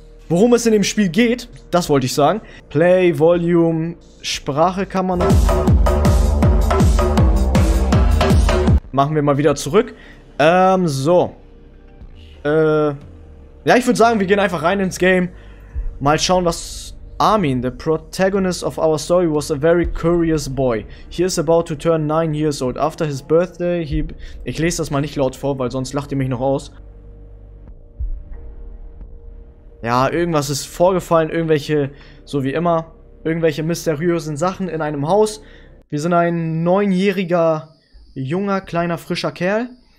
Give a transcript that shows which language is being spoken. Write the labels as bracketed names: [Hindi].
[German] Worum es in dem Spiel geht, das wollte ich sagen. Play, Volume, Sprache kann man... Machen wir mal wieder zurück. So. Ja, ich würde sagen, wir gehen einfach rein ins Game. Mal schauen, was... [English] Armin, the protagonist of our story, was a very curious boy. He is about to turn 9 years old. After his birthday, he... [German] Ich lese das mal nicht laut vor, weil sonst lacht ihr mich noch aus. Ja, irgendwas ist vorgefallen, irgendwelche, so wie immer, irgendwelche mysteriösen Sachen in einem Haus. Wir sind ein 9-jähriger, junger, kleiner, frischer Kerl.